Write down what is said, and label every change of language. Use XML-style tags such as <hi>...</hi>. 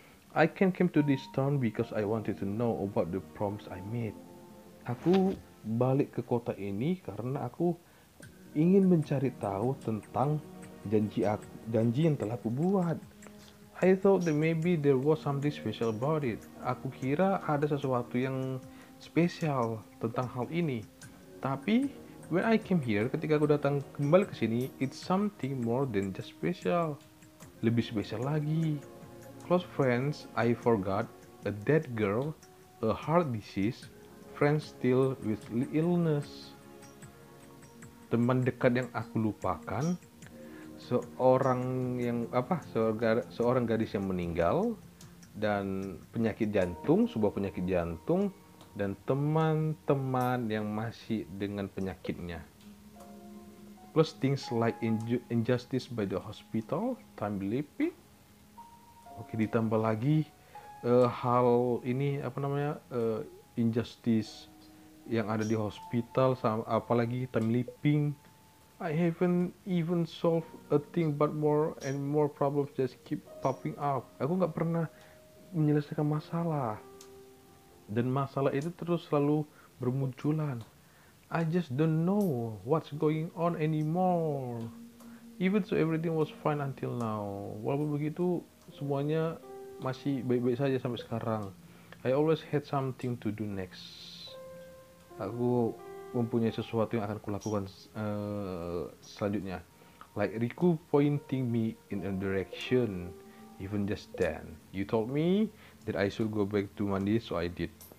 <en>I came to this town because I wanted to know about the promise I made.</en> <id>Aku balik ke kota ini karena aku ingin mencari tahu tentang janji yang telah kubuat.</id> <en>I thought that maybe there was something special about it.</en> <id>Aku kira ada sesuatu yang spesial tentang hal ini.</id> <en>Tapi when I came here,</en> <id>ketika aku datang kembali ke sini,</id> <en>it's something more than just special.</en> <id>Lebih spesial lagi.</id> <en>Close friends, I forgot, a dead girl, a heart disease, friends still with illness.</en> <id>Teman dekat yang aku lupakan, seorang gadis yang meninggal, dan sebuah penyakit jantung, dan teman-teman yang masih dengan penyakitnya.</id> <en>Plus things like injustice by the hospital, time leaping.</en> <id>Oke, ditambah lagi hal ini apa namanya injustice yang ada di hospital, sama apalagi time leaping.</id> <en>I haven't even solved a thing, but more and more problems just keep popping up.</en> <id>Aku nggak pernah menyelesaikan masalah, dan masalah itu terus selalu bermunculan.</id> <en>I just don't know what's going on anymore. Even so, everything was fine until now.</en> <id>Walaupun begitu, semuanya masih baik-baik saja sampai sekarang.</id> <en>I always had something to do next.</en> <id>Aku mempunyai sesuatu yang akan kulakukan selanjutnya.</id> <en>Like Riku pointing me in a direction, even just then. You told me that I should go back to Mandi, so I did.</en>